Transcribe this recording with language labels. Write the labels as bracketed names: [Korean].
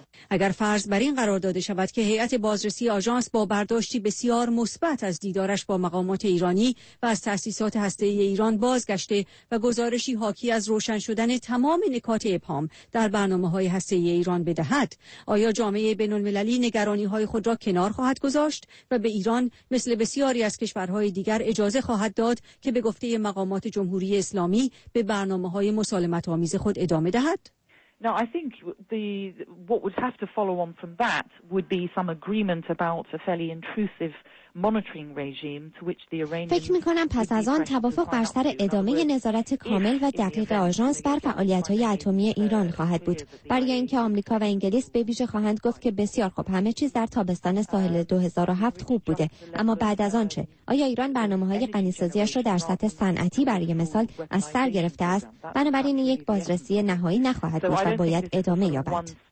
[Persian] اگر فرض بر این قرار داده شود که هیئت بازرسی آژانس با برداشتی بسیار مثبت از دیدارش با مقامات ایرانی و از تأسیسات هسته‌ای ایران بازگشته و گزارشی حاکی از روشن شدن تمام نکات ابهام در برنامه‌های هسته‌ای ایران بدهد، آیا جامعه بین‌المللی نگرانی‌های خود را کنار خواهد گذاشت و به ایران مثل بسیاری از کشورهای دیگر اجازه خواهد داد که به گفته مقامات جمهوری اسلامی به برنامه‌های مسالمت‌آمیز خود ادامه دهد؟ [English] Now I think the what would have to follow on from that would be some agreement about a fairly intrusive monitoring regime to which the Iranians. [Persian] فکر می‌کنم پس از آن توافق بر سر ادامه نظارت کامل و دقیق آژانس بر فعالیت‌های اتمی ایران خواهد بود. برای اینکه آمریکا و انگلیس به ویژه خواهند گفت که بسیار خوب همه چیز در تابستان ساحل 2007 خوب بوده. اما بعد از آن چه؟ آیا ایران برنامه‌های غنی‌سازی‌اش را در سطح صنعتی برای مثال از سر گرفته است؟ بنابراین یک بازرسی نهایی نخواهد بود و باید ادامه یابد.